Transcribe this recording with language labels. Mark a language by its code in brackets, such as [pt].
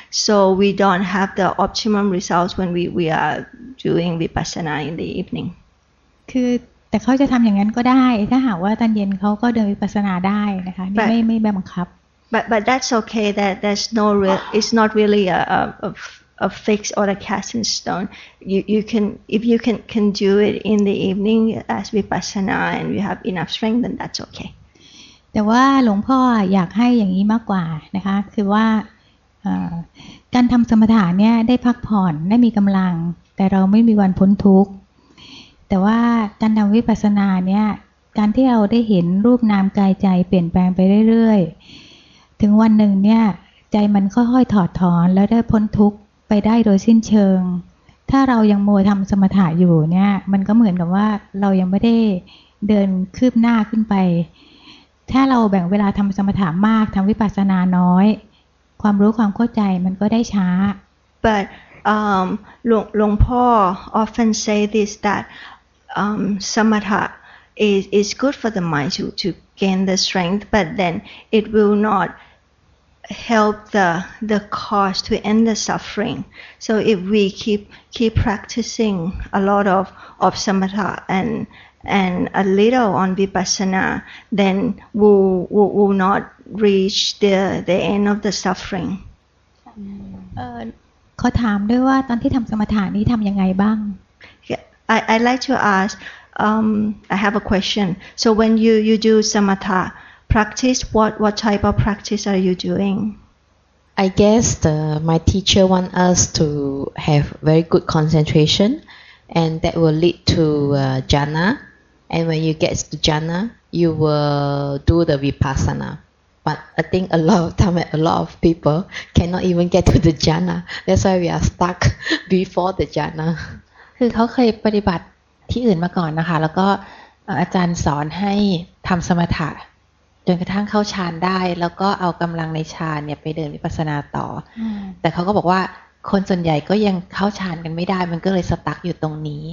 [en] So we don't have the optimum results when we are doing vipassana in the evening. [th] คือแต่เขาจะทำอย่างนั้นก็ได้ถ้าหากว่าตอนเย็นเขาก็เดินวิปัสสนาได้นะคะไม่บังคับ [en] But that's okay. That's no real. It's not really a fix or a cast in stone. You can do it in the evening as vipassana and you have enough strength, then that's okay. [th] แต่ว่าหลวงพ่ออยากให้อย่างนี้มากกว่านะคะคือว่าการทำสมถะเนี่ยได้พักผ่อนได้มีกำลังแต่เราไม่มีวันพ้นทุกข์ แต่ว่าการทำวิปัสสนาเนี่ยการที่เราได้เห็นรูปนามกายใจเปลี่ยนแปลงไปเรื่อยๆถึงวันหนึ่งเนี่ยใจมันค่อยๆถอดถอนแล้วได้พ้นทุกข์ไปได้โดยสิ้นเชิงถ้าเรายังมัวทำสมถะอยู่เนี่ยมันก็เหมือนกับว่าเรายังไม่ได้เดินคืบหน้าขึ้นไปถ้าเราแบ่งเวลาทำสมถะมากทำวิปัสสนาน้อยความรู้ความเข้าใจมันก็ได้ช้า [en] But Long Po often say this that samatha is good for the mind to gain the strength but then it will not help the cause to end the suffering so if we keep practicing a lot of samatha and and a little on vipassana, then we'll not reach the end of the suffering. [th] ขอถามด้วยว่าตอนที่ทำสมถะนี้ทำยังไงบ้าง [en] I like to ask. I have a question. So when you do samatha practice, what type of practice are you doing? I guess my teacher want us to have very good concentration, and that will lead to jhana. And when you get to jhana, you will do the vipassana. But I think a lot of people cannot even get to the jhana. That's why we are stuck before the jhana. [th] คือเขาเคยปฏิบัติที่อื่นมาก่อนนะคะแล้วก็อาจารย์สอนให้ทำสมถะจนกระทั่งเข้าฌานได้แล้วก็เอากำลังในฌานเนี่ยไปเดินวิปัสสนาต่อแต่เขาก็บอกว่าคนส่วนใหญ่ก็ยังเข้าฌานกันไม่ได้มันก็เลยสตั๊กอยู่ตรงนี